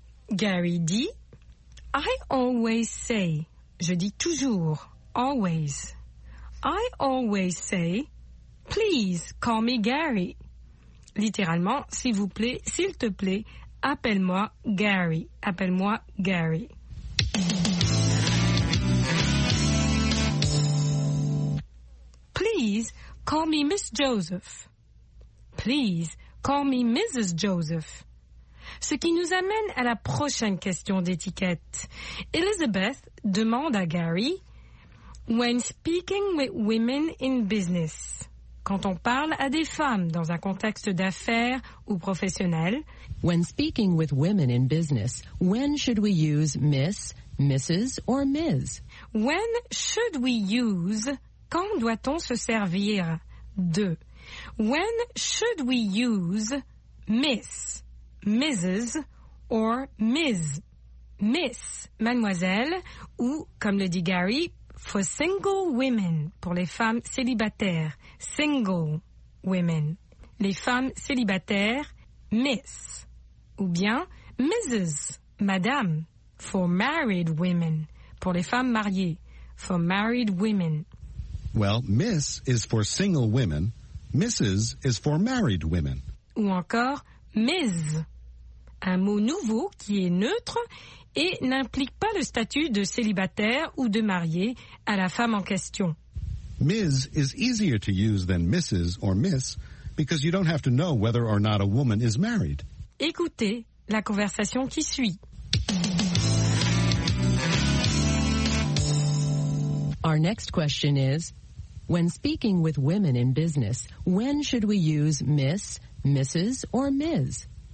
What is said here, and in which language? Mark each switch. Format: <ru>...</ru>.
<fr>Gary dit,</fr> <en>I always say,</en> <fr>je dis toujours, always.</fr> <en>I always say, please call me Gary.</en> <fr>Littéralement, s'il te plaît, appelle-moi Gary. Appelle-moi Gary.</fr> <en>Please call me Miss Joseph. Please call me Mrs. Joseph.</en> <fr>Ce qui nous amène à la prochaine question d'étiquette. Elizabeth demande à Gary,</fr> <en>When speaking with women in business,</en> <fr>quand on parle à des femmes dans un contexte d'affaires ou professionnel,</fr> <en>When speaking with women in business, when should we use Miss, Mrs. or Ms? When should we use,</en> <fr>quand doit-on se servir de? When should we use Miss, Mrs. or Ms? Miss, mademoiselle, ou comme le dit Gary,</fr> <en>For single women,</en> <fr>pour les femmes célibataires.</fr> <en>Single women,</en> <fr>les femmes célibataires, miss. Ou bien, Mrs., madame.</fr> <en>For married women,</en> <fr>pour les femmes mariées.</fr> <en>For married women. Well, miss is for single women, Mrs. is for married women.</en> <fr>Ou encore, Ms. Un mot nouveau qui est neutre et n'implique pas le statut de célibataire ou de marié à la femme en question.</fr> <en>Ms. is easier to use than Mrs. or Miss because you don't have to know whether or not a woman is married.</en> <fr>Écoutez la conversation qui suit.</fr> <en>Our next question is, when speaking with women in business, when should we use Miss, Mrs., or Ms.?</en>